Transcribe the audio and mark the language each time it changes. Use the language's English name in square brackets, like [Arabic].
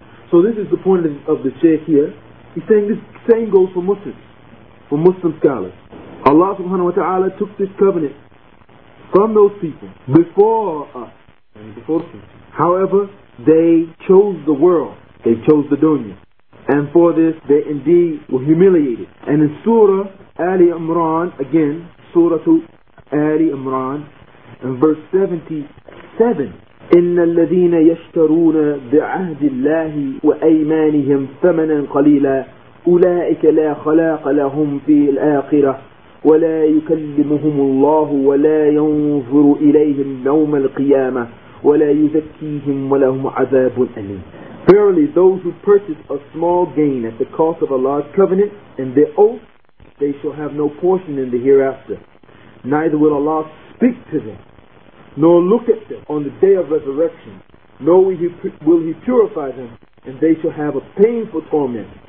[English] So this is the point of the Shaykh here. He's saying this same goes for Muslims, for Muslim scholars. Allah subhanahu wa ta'ala took this covenant from those people before us and before them. However, they chose the world. They chose the dunya. And for this, they indeed were humiliated. And in Surah Ali Imran, again, Surah Ali Imran, in verse 77, [Arabic] إِنَّ الَّذِينَ يَشْتَرُونَ بِعَهْدِ اللَّهِ وَأَيْمَانِهِمْ ثَمَنًا قَلِيلًا أُولَٰئِكَ لَا خَلَاقَ لَهُمْ فِي الْآخِرَةِ وَلَا يُكَلِّمُهُمُ اللَّهُ وَلَا يَنْظُرُ إِلَيْهِمْ يَوْمَ الْقِيَامَةِ وَلَا يُزَكِّيهِمْ وَلَهُمْ عَذَابٌ أَلِيمٌ. [English] Verily, those who purchase a small gain at the cost of Allah's covenant and their oath, they shall have no portion in the hereafter. Neither will Allah speak to them, nor look at them on the day of resurrection, nor will He purify them, and they shall have a painful torment.